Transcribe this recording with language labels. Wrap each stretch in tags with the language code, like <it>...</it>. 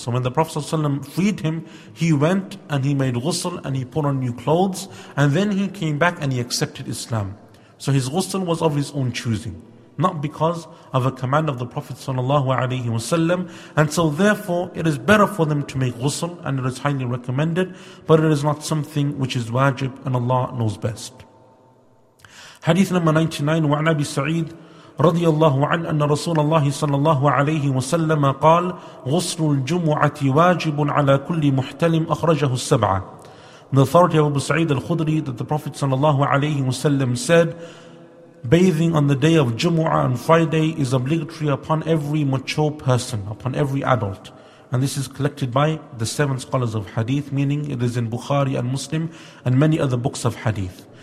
<en>So when the Prophet ﷺ freed him, he went and he made ghusl and he put on new clothes, and then he came back and he accepted Islam. So his ghusl was of his own choosing, not because of a command of the Prophet ﷺ. And so therefore, it is better for them to make ghusl, and it is highly recommended, but it is not something which is wajib, and Allah knows best. Hadith number 99,</en> <ar>wa'an Abi Sa'id رضي الله عن أن رسول الله صلى الله عليه وسلم قال غسل الجمعة واجب على كل محتلم أخرجه السبعة.</ar> <en>The authority of Abu Sa'id al-Khudri that the Prophet صلى الله عليه وسلم said, bathing on the day of Jumu'ah on Friday is obligatory upon every mature person, upon every adult. And this is collected by the seven scholars of hadith, meaning it is in Bukhari and Muslim and many other books of hadith.</en>